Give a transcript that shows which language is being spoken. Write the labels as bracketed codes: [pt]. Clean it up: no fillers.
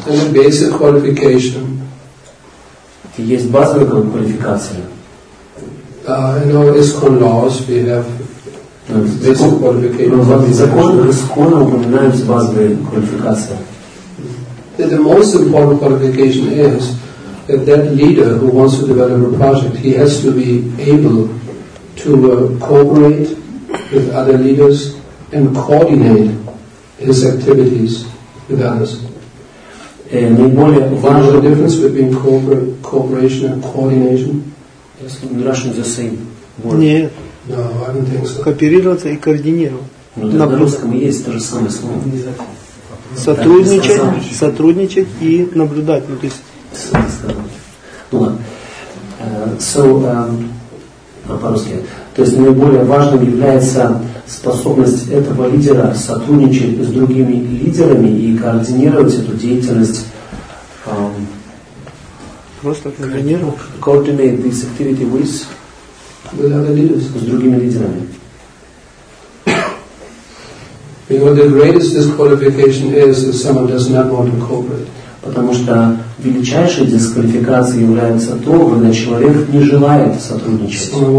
[en] And a basic qualification. [ru] Есть базовая квалификация. [en] ISKCON laws we have basic qualification. [ru] Законы ISKCON упоминают базовые квалификации. [en] The most important qualification is. That leader who wants to develop a project, he has to be able to cooperate with other leaders and coordinate his activities with others. What is the difference between cooperation and coordination? Yes, in Russian the same word. [ru] Нет. [en] No, I don't think so. [ru] Кооперироваться и координировать. На русском есть то же самое слово. Сотрудничать и наблюдать. Ну, то есть по-русски. То есть наиболее важным является способность этого лидера сотрудничать с другими лидерами и координировать эту деятельность. Просто координировать. [en] Coordinate this activity with other leaders. [ru] С другими лидерами. [en] Because the greatest disqualification is if someone does not want to cooperate. [ru] Потому что величайшей дисквалификацией является то, когда человек не желает сотрудничать.